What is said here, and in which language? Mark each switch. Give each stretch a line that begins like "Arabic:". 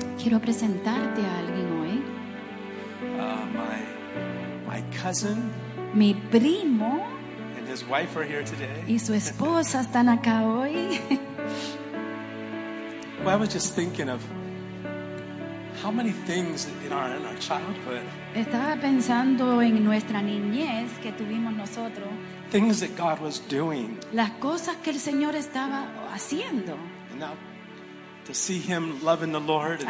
Spanish: Quiero presentarte a alguien hoy.
English: My cousin.
Spanish: Mi primo.
English: And his wife are here today.
Spanish: Y su esposa están acá hoy.
English: Well, I was just thinking of how many things in our childhood.
Spanish: Estaba pensando en nuestra niñez que tuvimos nosotros.
English: Things that God was doing.
Spanish: Las cosas que el Señor estaba haciendo.
English: Now, to see him loving the Lord and